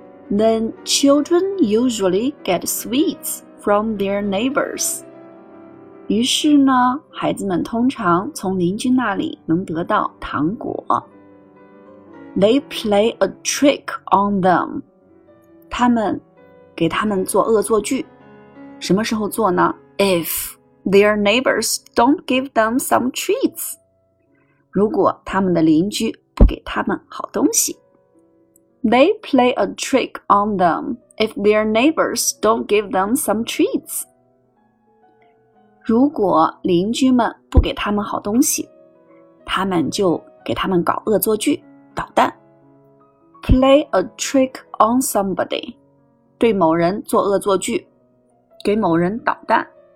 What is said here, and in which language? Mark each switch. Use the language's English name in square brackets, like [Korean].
[English] Then children usually get sweets from their neighbors. [Chinese] 于是呢，孩子们通常从邻居那里能得到糖果。 [English] They play a trick on them. 他们给他们做恶作剧。什么时候做呢？ If their neighbors don't give them some treats. [Chinese] 如果他们的邻居不给他们好东西。 [English] They play a trick on them if their neighbors don't give them some treats. [Chinese] 如果邻居们不给他们好东西，他们就给他们搞恶作剧，捣蛋。 [English] play a trick on somebody. [Chinese] 对某人作恶作剧，给某人捣蛋。